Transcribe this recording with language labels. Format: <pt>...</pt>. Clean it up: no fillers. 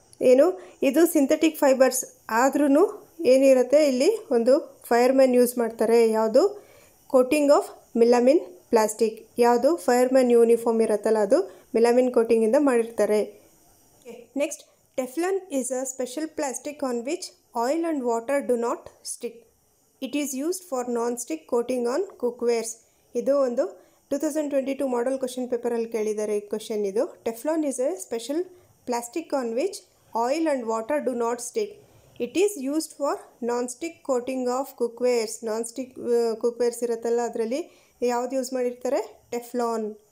<kn>ಏನು, ಇದು synthetic fibres ಆದ್ರೂ ಏನಿರುತ್ತೆ, ಇಲ್ಲಿ ಒಂದು ಫೈರ್ಮೆನ್ ಯೂಸ್ ಮಾಡ್ತಾರೆ. ಯಾವುದು,</kn> <en>Coating of melamine plastic.</en> <kn>ಯಾವುದು, ಫೈರ್ಮೆನ್ ಯೂನಿಫಾರ್ಮ್ ಇರುತ್ತಲ್ಲ ಅದು ಮಿಲಾಮಿನ್ ಕೋಟಿಂಗಿಂದ ಮಾಡಿರ್ತಾರೆ.</kn> <en>Next, Teflon is a special plastic on which oil and water do not stick. It is used for non-stick coating on cookwares.</en> <kn>ಇದು ಒಂದು 2022 ಮಾಡೆಲ್ ಕ್ವಶನ್ ಪೇಪರಲ್ಲಿ ಕೇಳಿದ್ದಾರೆ ಈ ಕ್ವಶನ್.</kn> <en>ಇದು Teflon is a special plastic on which oil and water do not stick. It is used for non stick coating of cookwares.</en> <kn>Non stick cookwares ಇರುತ್ತಲ್ಲ ಅದರಲ್ಲಿ ಯಾವುದು use ಮಾಡಿರ್ತಾರೆ? ಟೆಫ್ಲಾನ್.</kn>